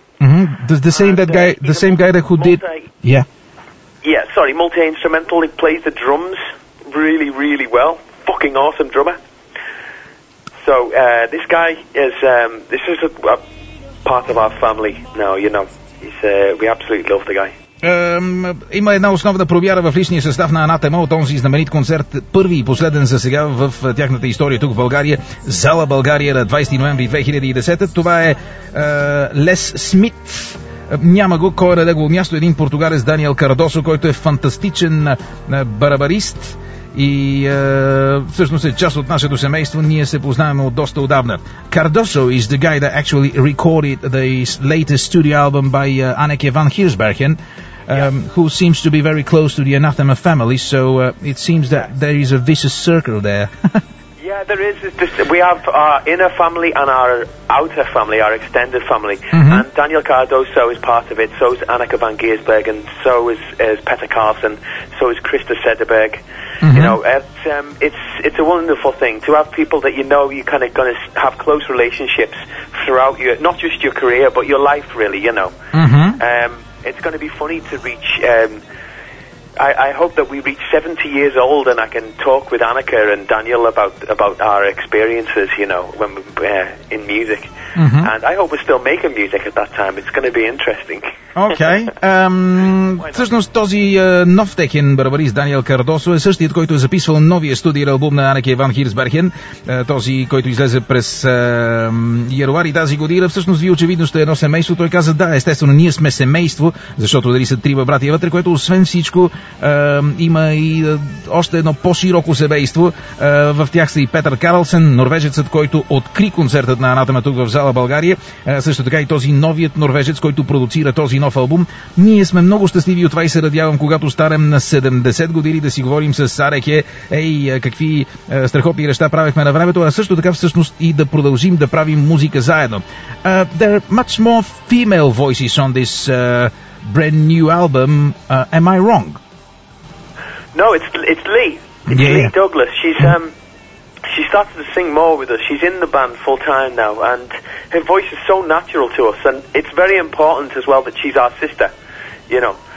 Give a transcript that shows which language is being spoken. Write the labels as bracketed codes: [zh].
[en] Mm-hmm. The same guy that did. Yeah. Yeah, sorry, multi-instrumental. He plays the drums really, really well. Fucking awesome drummer. So, this guy is, this is a part of our family now, you know. We absolutely love the guy. [bg] Има една основна промяна в личния състав на Anathema от онзи знаменит концерт, първи и последен за сега в тяхната история тук в България, зала България на 20 ноември 2010. Това е Les Smith. Няма го, кой е на негово място, един португалец Даниел Кардосо, който е фантастичен барабарист и всъщност е част от нашето семейство, ние се познаваме от доста отдавна. [en] Кардосо is the guy that actually recorded the latest studio album by Anneke van Hirsbergen. Who seems to be very close to the Anathema family, so it seems that there is a vicious circle there. Yeah, there is. We have our inner family and our outer family, our extended family, mm-hmm. and Daniel Cardoso is part of it, so is Anneke van Giersberg, and so is Petter Carlsen, so is Christa Sederberg. Mm-hmm. You know, it's a wonderful thing to have people that you know you're kind of going to have close relationships throughout your, not just your career, but your life, really, you know. Mm-hmm. It's going to be funny to reach, I hope that we reach 70 years old and I can talk with Annika and Daniel about our experiences, you know, when in music. Mm-hmm. And I hope we're still making music at that time. It's going to be interesting. Okay. [bg] Всъщност този нов техен барабарист Даниел Кардосо е същият, който е записвал новия студиен албум на Анеке Иван Хирсбархен, този, който излезе през януари тази година. Всъщност вие очевидно сте едно семейство. Той каза, да, естествено, ние сме семейство, защото дали са трима братия вътре, което освен всичко има и още едно по-широко семейство. В тях са и Петър Карлсен, норвежецът, който откри концертът на Anathema тук в зала България. Също така и този новият норвежец, който продуцира този нов албум. Ние сме много щастливи от това и се радявам, когато старем на 70 години да си говорим с Ареке, ей, какви страхотни неща правихме на времето, а също така всъщност и да продължим да правим музика заедно. [en] There are much more female voices on this brand new album. Am I wrong? No, it's Lee. It's Lee Douglas. She started to sing more with us. She's in the band full time now, and her voice is so natural to us, and it's very important as well that she's our sister, you know.